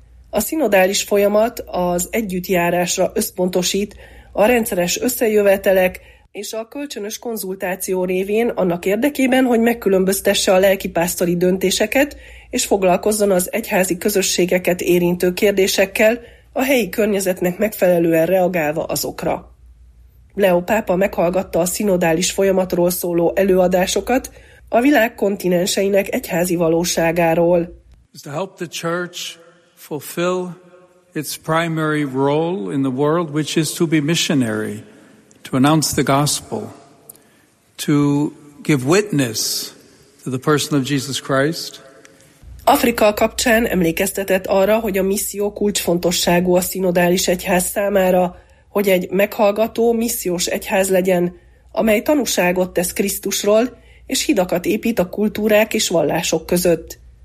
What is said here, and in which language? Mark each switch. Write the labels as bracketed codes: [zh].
[hu] A szinodális folyamat az együttjárásra összpontosít, a rendszeres összejövetelek és a kölcsönös konzultáció révén annak érdekében, hogy megkülönböztesse a lelkipásztori döntéseket és foglalkozzon az egyházi közösségeket érintő kérdésekkel, a helyi környezetnek megfelelően reagálva azokra. Leó pápa meghallgatta a szinodális folyamatról szóló előadásokat, a világ kontinenseinek egyházi valóságáról. [en] To help the church fulfill its primary role in the world, which is to be missionary, to announce the gospel, to give witness to the person of Jesus Christ. [hu] Afrika kapcsán emlékeztetett arra, hogy a misszió kulcsfontosságú a szinodális egyház számára, hogy egy meghallgató, missziós egyház legyen, amely tanúságot tesz Krisztusról, és hidakat épít a kultúrák és vallások között.